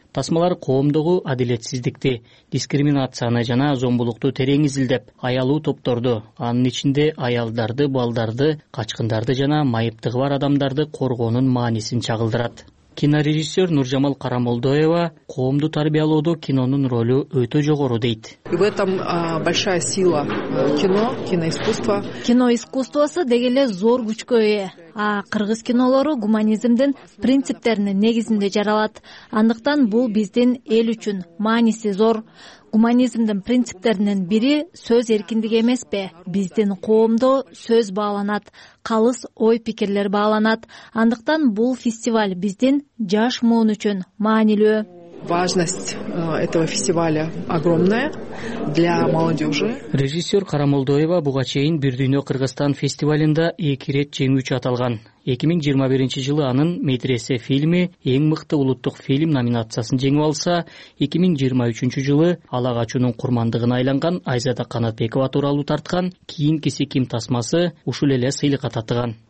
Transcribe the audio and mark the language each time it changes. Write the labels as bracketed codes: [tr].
[ky] Тасмалар коомдогу адилетсиздикти, дискриминацияны жана зомбулукту терең изилдеп, аялуу топторду, анын ичинде аялдарды, балдарды, качкындарды жана майыптыгы бар адамдарды коргоонун маанисин чагылдырат. Кинорежиссер Нуржамал Карамолдоева коомду тарбиялоодо кинонун ролу өтө жогору дейт. [ru] В этом большая сила кино, киноискусство. [ky] Кино искусствосу деги эле зор күчкө ээ. А кыргыз кинолору гуманизмдин принциптеринин негизинде жаралат. Андыктан бул биздин эл үчүн мааниси зор. Гуманизмдин принциптеринин бири сөз эркиндиги эмеспи? Биздин коомдо сөз бааланат, калыс ой пикирлер бааланат. Андыктан бул фестиваль биздин жаш муун үчүн маанилүү. [ru] Важность этого фестиваля огромная для молодежи. [ky] Режиссер Карамолдоева буга чейин бир дүйнө Кыргызстан фестивалында 2 рет жеңүүчү аталган. 2021 жылы анын «Медресе» фильми эң мыкты улуттук фильм номинациясын жеңип алса, 2023 жылы Алагачуунун курмандыгына айланган Айзада Канатбекова тууралуу тарткан кийинкиси ким тасмасы ушул эле сыйлыкка татыган.